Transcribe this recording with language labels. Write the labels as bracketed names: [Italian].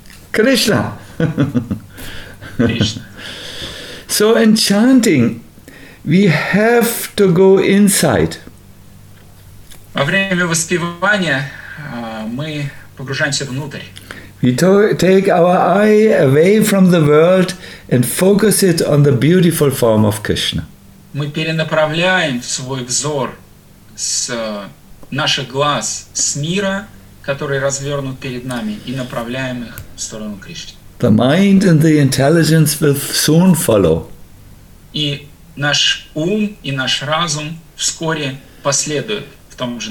[Russian] Кришна. Кришна. [English] So in chanting, we have to go inside. [Russian] Во время воспевания мы погружаемся внутрь. [English] We take our eye away from the world and focus it on the beautiful form of Krishna. [Russian] Мы перенаправляем свой взор с наших глаз с мира, который развернут перед нами, и направляем их в сторону Кришны. [English] The mind and the intelligence will soon follow. [Russian] И наш ум и наш разум вскоре последуют в том же